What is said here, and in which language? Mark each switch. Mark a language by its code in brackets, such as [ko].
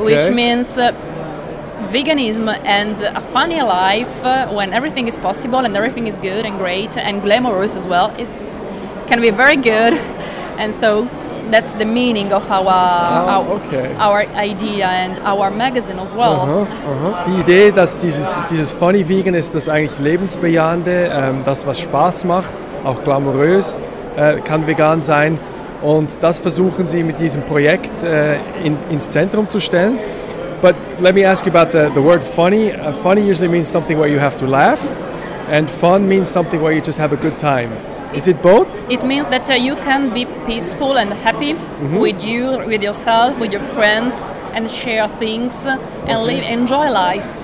[en] Which means veganism and a funny life when everything is possible and everything is good and great and glamorous as well, it can be very good. And so that's the meaning of our idea and our magazine as well. [de] Die Idee, dass dieses Funny Vegan ist, das eigentlich Lebensbejahende, das was Spaß macht, auch glamourös, kann vegan sein. Und das versuchen sie mit diesem Projekt ins Zentrum zu stellen. [en] But let me ask you about the word funny. Funny usually means something where you have to laugh, and fun means something where you just have a good time. Is it both? It means that you can be peaceful and happy with you, with yourself, with your friends, and share things and live, enjoy life.